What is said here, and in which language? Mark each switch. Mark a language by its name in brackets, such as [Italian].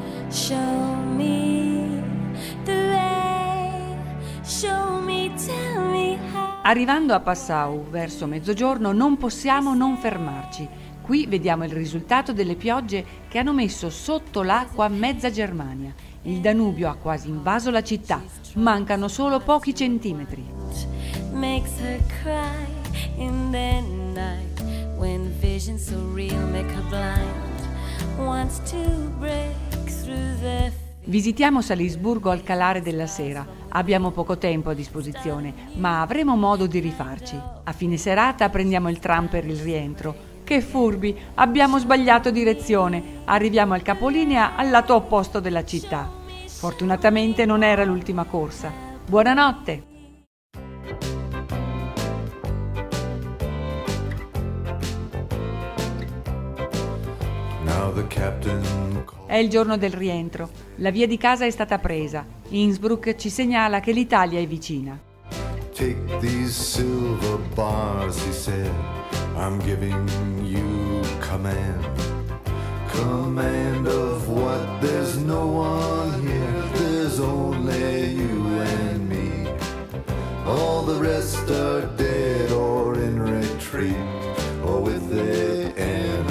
[English] Show me the way, show me, tell me how. [Italian] Arrivando a Passau, verso mezzogiorno, non possiamo non fermarci. Qui vediamo il risultato delle piogge che hanno messo sotto l'acqua mezza Germania. Il Danubio ha quasi invaso la città, mancano solo pochi centimetri. [English] Makes her cry in the night, when visions so real make her blind, wants to break. [Italian] Visitiamo Salisburgo al calare della sera. Abbiamo poco tempo a disposizione, ma avremo modo di rifarci. A fine serata prendiamo il tram per il rientro. Che furbi! Abbiamo sbagliato direzione. Arriviamo al capolinea al lato opposto della città. Fortunatamente non era l'ultima corsa. Buonanotte! [English] Now the captain. [Italian] È il giorno del rientro. La via di casa è stata presa. Innsbruck ci segnala che l'Italia è vicina. [English] Take these silver bars, he said. I'm giving you command. Command of what? There's no one here. There's only you and me. All the rest are dead or in retreat or with the enemy.